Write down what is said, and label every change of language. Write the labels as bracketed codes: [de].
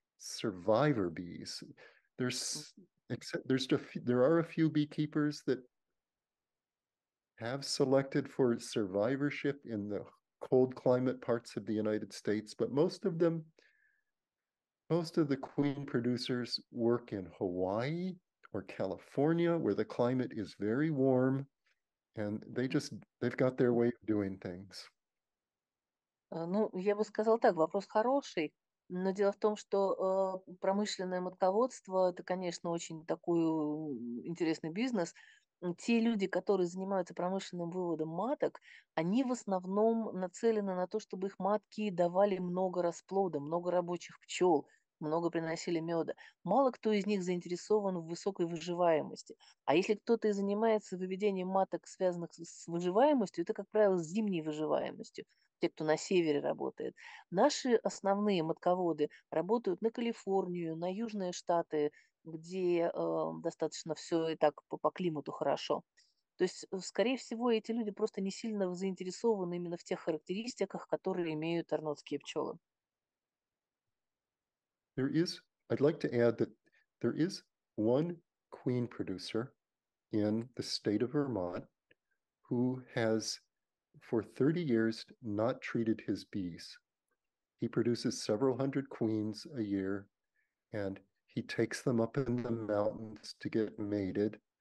[en] survivor bees. There are a few beekeepers that have selected for survivorship in the cold climate parts of the United States, but most of the queen producers work in Hawaii or California, where the climate is very warm, and they've got their way of doing things. [ru] Ну, я бы сказала так, вопрос хороший, но дело в том, что промышленное мотководство – это, конечно, очень такой интересный бизнес. Те люди, которые занимаются промышленным выводом маток, они в основном нацелены на то, чтобы их матки давали много расплода, много рабочих пчел, много приносили меда. Мало кто из них заинтересован в высокой выживаемости. А если кто-то и занимается выведением маток, связанных с выживаемостью, это, как правило, с зимней выживаемостью. Те, кто на севере работает. Наши основные матководы работают на Калифорнию, на Южные Штаты, где достаточно все и так по климату хорошо. То есть, скорее всего, эти люди просто не сильно заинтересованы именно в тех характеристиках, которые имеют арнотские пчелы. [en] I'd like to add that there is one queen producer in the state of Vermont who has for 30 years not treated his bees. He produces several hundred queens a year, and he takes them up in the mountains to get mated.